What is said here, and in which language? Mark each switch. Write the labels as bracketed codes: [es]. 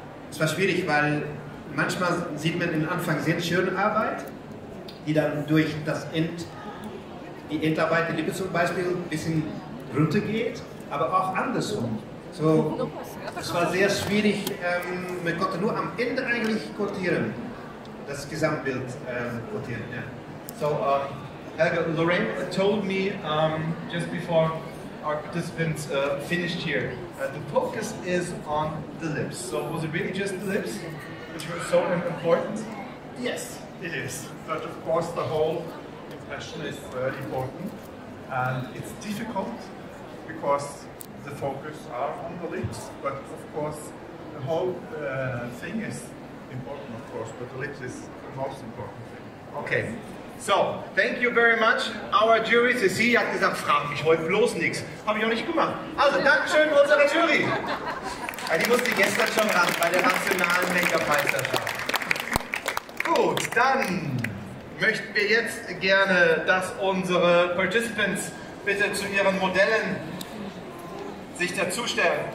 [de] Es war schwierig, weil manchmal sieht man den Anfang sehr schöne Arbeit, die dann durch das die Endarbeit, die Lippe zum Beispiel, ein bisschen runter geht, aber auch andersrum. So, es war sehr schwierig, man konnte nur am Ende eigentlich quotieren. Das Gesamtbild quotieren, ja. [en] So, Helge, Lorraine told me just before our participants finished here, the focus is on the lips. So, was it really just the lips, which were so important? Yes, it is. But of course, the whole impression is important. And it's difficult because the focus are on the lips. But of course, the whole thing is important, of course, but the lips is the most important thing. Okay, so thank you very much, our jury. [de] Cecilia hat gesagt, frag mich heute bloß nichts. Habe ich auch nicht gemacht. Also, Dankeschön unserer Jury. Die musste gestern schon ran bei der nationalen Make-up-Meisterschaft. Gut, dann möchten wir jetzt gerne, dass unsere Participants bitte zu ihren Modellen sich dazustellen.